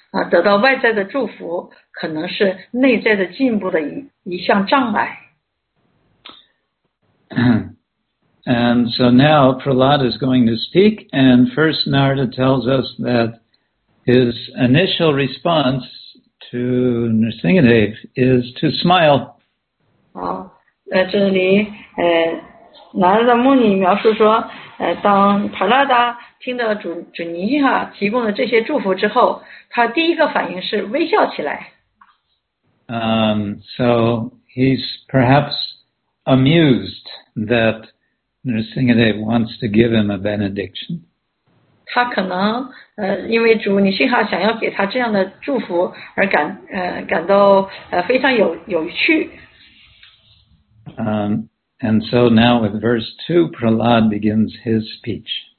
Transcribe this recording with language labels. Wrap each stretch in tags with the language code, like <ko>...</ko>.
<zh>得到外在的祝福可能是内在的进步的一项障碍。</zh> <en>And so now Prahlad is going to speak, and first Narada tells us that his initial response to Nrsingadeva is to smile.</en> <zh>这里Narada Muni 描述说，当 Prahlada 听到主尼哈提供的这些祝福之后，他第一个反应是微笑起来。</zh> <en>So he's perhaps amused that Nrsingadeva wants to give him a benediction.</en> <zh>他可能因为主尼辛哈想要给他这样的祝福而感到非常有趣。</zh> <en>And so now with verse 2, Prahlad begins his speech.</en>